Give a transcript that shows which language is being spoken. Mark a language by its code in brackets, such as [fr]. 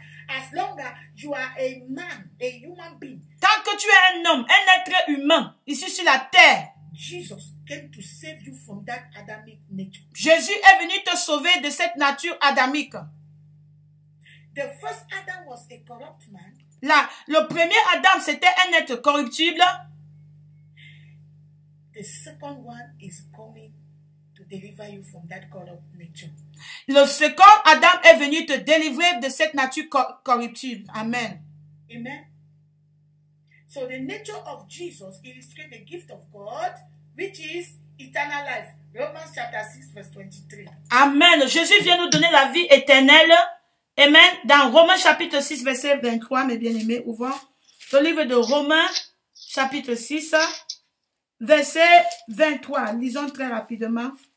[en] As long as you are a man, a human being. [fr] Tant que tu es un homme, un être humain, ici sur la terre. [en] Jesus came to save you from that Adamic nature. [fr] Jésus est venu te sauver de cette nature adamique. [en] The first Adam was a corrupt man. [fr] Le premier Adam, c'était un être corruptible. [en] The second one is coming to deliver you from that corrupt nature. [fr] Le second Adam est venu te délivrer de cette nature corruptible. [en] Amen. [fr] Amen. [en] So the nature of Jesus illustrates the gift of God, which is eternal life. Romans chapter 6, verse 23. Amen. [fr] Jésus vient nous donner la vie éternelle. Amen. Dans Romains chapitre 6, verset 23, mes bien-aimés, ouvrons le livre de Romains chapitre 6. Verset 23, lisons très rapidement.